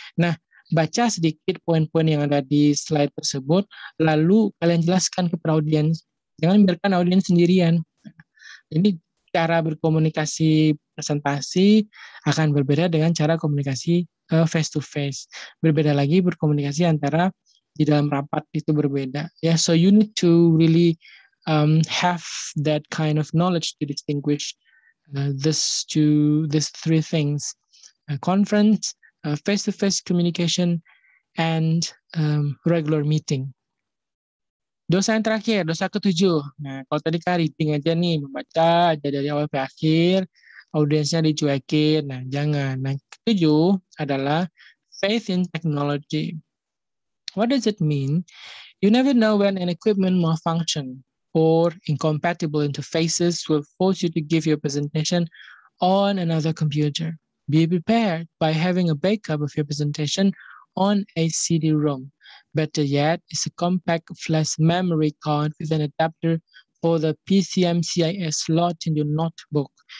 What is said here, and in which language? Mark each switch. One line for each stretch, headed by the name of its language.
Indonesian: Nah, baca sedikit poin-poin yang ada di slide tersebut, lalu kalian jelaskan kepada audiens. Jangan biarkan audiens sendirian. Jadi cara berkomunikasi presentasi akan berbeda dengan cara komunikasi face-to-face. Berbeda lagi berkomunikasi antara di dalam rapat itu berbeda.
English: Yeah, so you need to really have that kind of knowledge to distinguish these three things. Conference, face-to-face communication, and regular meeting.
Indonesian: Dosa yang terakhir, dosa ketujuh. Nah, kalau tadi kan reading aja nih, membaca aja dari awal sampai akhir, audiensnya dicuekin. Nah, jangan. Nah, ketujuh adalah
English: faith in technology. What does it mean? You never know when an equipment malfunction or incompatible interfaces will force you to give your presentation on another computer. Be prepared by having a backup of your presentation on a CD-ROM. Better yet, it's a compact flash memory card with an adapter for the PCMCIS slot in your notebook.